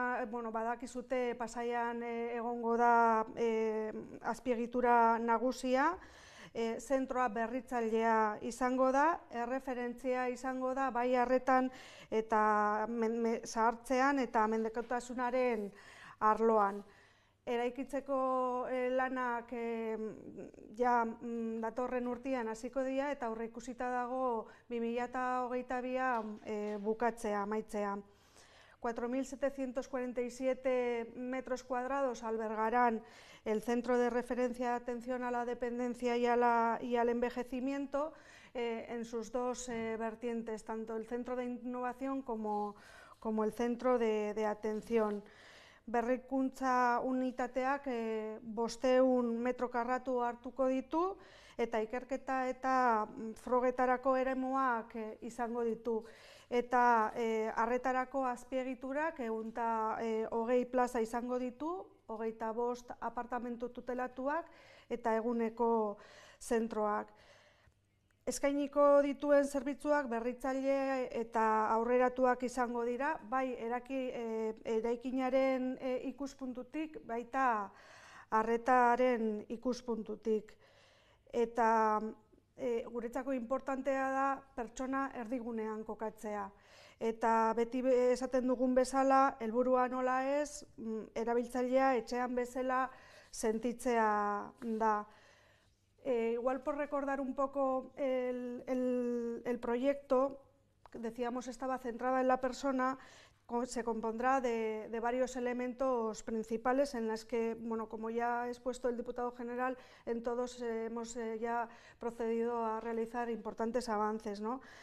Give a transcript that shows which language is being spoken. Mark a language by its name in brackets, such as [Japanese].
[Basque] Badakizute Pasaian egongo da azpiegitura nagusia, zentroa berritzailea izango da, erreferentzia izango da bai harretan eta zahartzean eta mendekotasunaren arloan. Eraikitzeko lanak datorren urtean hasiko dira eta aurreikusita dago 2022a bukatzea, amaitzea. [Spanish] 4.747 metros cuadrados albergarán el Centro de Referencia de Atención a la Dependencia y al Envejecimiento en sus dos vertientes, tanto el Centro de Innovación como el Centro de Atención. [Basque] Berrikuntza unitateak 500 metro karratu hartuko ditu eta ikerketa eta frogetarako eremuak izango ditu. Eta arretarako azpiegiturak 120 plaza izango ditu, 25 apartamentu tutelatuak eta eguneko zentroak. Eskainiko dituen zerbitzuak berritzaile eta aurreratuak izango dira, bai eraikinaren ikuspuntutik, baita arretaren ikuspuntutik. Eta guretzako importantea da pertsona erdigunean kokatzea. Eta beti esaten dugun bezala, helburua nola ez, erabiltzailea etxean bezala sentitzea da. [Spanish] Igual por recordar un poco el proyecto, decíamos estaba centrada en la persona, se compondrá de varios elementos principales en las que, bueno, como ya ha expuesto el diputado general, en todos hemos ya procedido a realizar importantes avances, ¿no?